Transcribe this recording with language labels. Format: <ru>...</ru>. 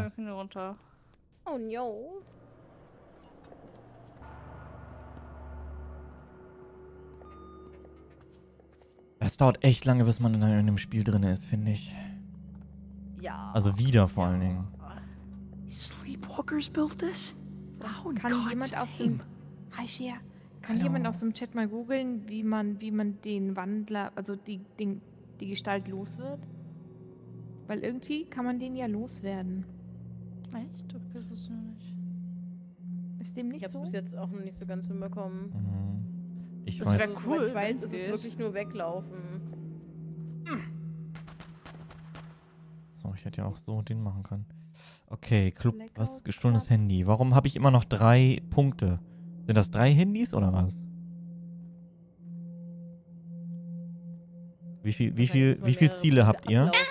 <de>Ja, wir können runter.</de> <en>Oh no.</en> <de>Es dauert echt lange, bis man in dem Spiel drin ist, finde ich. Ja. Also wieder vor allen Dingen.</de> <en>Sleepwalkers built this?</en> <de>Oh, kann God's jemand aus dem. Hi, Shia. Kann jemand aus dem Chat mal googeln, wie man den Wandler, also die Gestalt los wird? Weil irgendwie kann man den ja loswerden. Echt? Okay, das ist nicht. Ist dem nicht ich so? Ich hab's bis jetzt auch noch nicht so ganz hinbekommen. Mhm. Ich das weiß. Das wäre cool. Ich weiß, es ist wirklich nur weglaufen. So, ich hätte ja auch so den machen können. Okay, Club, Blackout, was gestohlenes Handy. Warum habe ich immer noch 3 Punkte? Sind das 3 Handys oder was? Wie viel Ziele habt ihr?</de>